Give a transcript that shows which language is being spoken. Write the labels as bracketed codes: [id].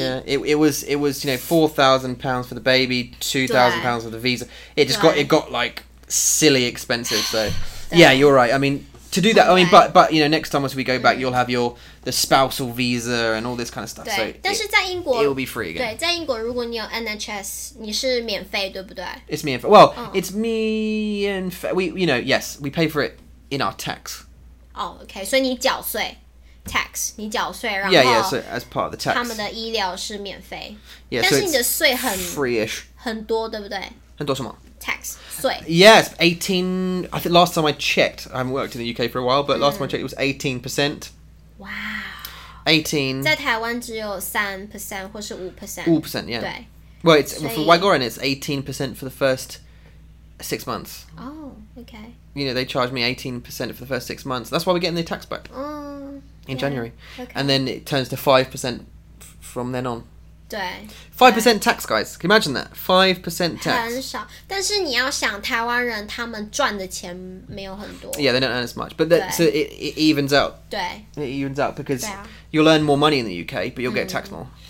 [en] Yeah, it was, you know, £4,000 for the baby, £2,000 for the visa. It just got like silly expensive. So yeah, you're right. I mean, to do that, I mean, but you know, next time as we go back, you'll have the spousal visa and all this kind of stuff. [zh] 对，但是在英国 [en] it will be free again. [zh] 对，在英国如果你有 NHS, 你是免费，对不对？ [en] It's me and well, it's me and we, you know, yes, we pay for it in our tax. Oh, okay. So [zh] 你缴税 [en] tax, [zh] 你缴税，然后 [en] yeah, so as part of the tax, [zh] 他们的医疗是免费。 [en] Yeah, [zh] 但是你的税很 [en] free-ish, [zh] 很多，对不对？很多什么？ [en] Tax, yes, 18. I think last time I checked, I haven't worked in the UK for a while, but last time I checked, it was 18%. Wow. 18. [zh] 在台湾只有3%或是5%. [en] 5%, yeah. [zh] 对. [en] Well, for Wagoran, it's 18% for the first 6 months. Oh, okay. You know, they charge me 18% for the first 6 months. That's why we're getting the tax back in January. Okay. And then it turns to 5% from then on. [zh] 对 [en] 5% tax, guys. Can you imagine that? 5% tax. [zh] 很少，但是你要想台湾人他们赚的钱没有很多。 [en] Yeah, they don't earn as much, but so it evens out. [zh] 对 [en] ，it evens out because you'll earn more money in the UK, but you'll get taxed more.